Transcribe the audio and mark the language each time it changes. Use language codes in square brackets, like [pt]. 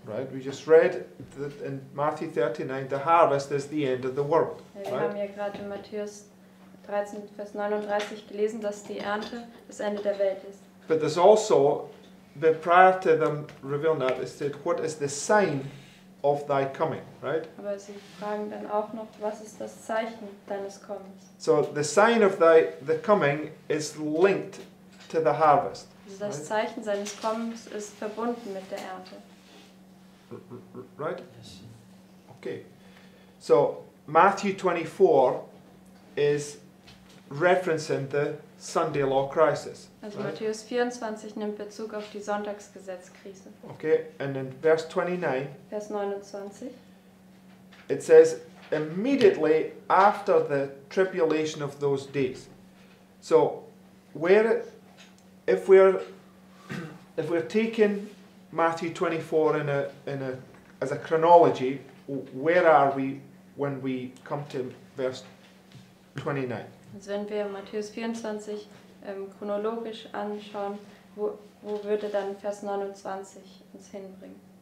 [en] Right, we just read that in Matthew 39, the harvest is the end of the world. [de] Ja, wir haben ja gerade in Matthäus 13, Vers 39 gelesen, dass die Ernte das Ende der Welt ist. [en] But there's also, but prior to them revealing that, it said, what is the sign of thy coming, right? [de] Aber sie fragen dann auch noch, was ist das Zeichen deines Kommens? [en] So the sign of thy the coming is linked to the harvest. [de] Also das [en] right? [de] Zeichen seines Kommens ist verbunden mit der Ernte. [en] Right? Okay. So Matthew 24 is referencing the Sunday law crisis. [de] Also [en] right? [de] Matthäus 24 nimmt Bezug auf die Sonntagsgesetzkrise. [en] Okay, and in verse 29. [de] Vers 29. [en] It says, immediately after the tribulation of those days. So, if we're taking Matthew 24 in a as a chronology, where are we when we come to verse 29? [de] Also wenn wir Matthäus 24 chronologisch anschauen, wo würde dann Vers 29 uns hinbringen?